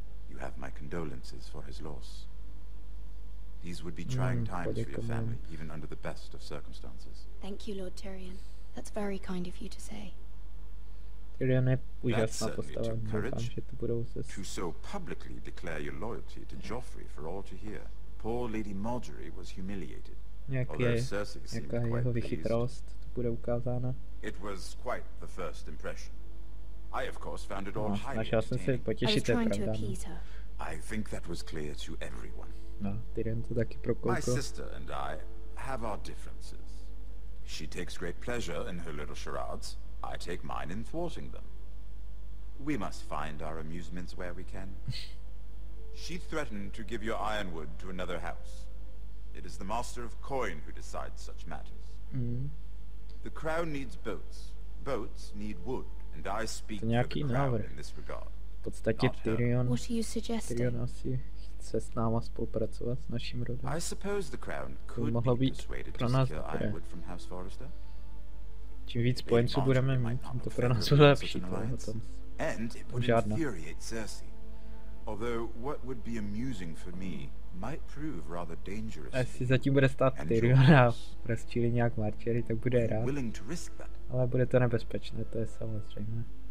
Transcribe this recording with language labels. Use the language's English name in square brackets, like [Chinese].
[English] You have my condolences for his loss. These would be trying times for your family, even under the best of circumstances. Thank you, Lord Tyrion. That's very kind of you to say. [Czech] Tyrion je úžasná postava. Doufám, že to budou se... [English] To so publicly declare your loyalty to Joffrey for all to hear. Poor Lady Margaery was humiliated. [Czech] Jaká jeho vychytrost to bude ukázána. [English] It was quite the first impression. I of course found it all highly entertaining. [Czech] Se potěšit, [English] I was trying to appease her. I think that was clear to everyone. [Czech] No, Tyrion to taky prokouklo. [English] My sister and I have our differences. She takes great pleasure in her little charades. I take mine in thwarting them. We must find our amusements where we can. She threatened to give your ironwood to another house. It is the master of coin who decides such matters. Mm. The crown needs boats. Boats need wood, and I speak for the crown in this regard. [Czech] V podstatě Tyrion. [English] What are you suggesting? [Czech] Tyrion asi chce s náma spolupracovat s naším rodem. [English] I suppose the crown could be persuaded to secure ironwood from House Forrester. [Czech] Čím víc spojenců budeme mít, tím to pro nás bude lepší. [English] And it would infuriate Cersei. Although what would be amusing for me might prove rather dangerous. [Czech] Jestli zatím bude stát Tyrion a rozčílí nějak Margaery, tak bude rád. Ale bude to nebezpečné, to je samozřejmé.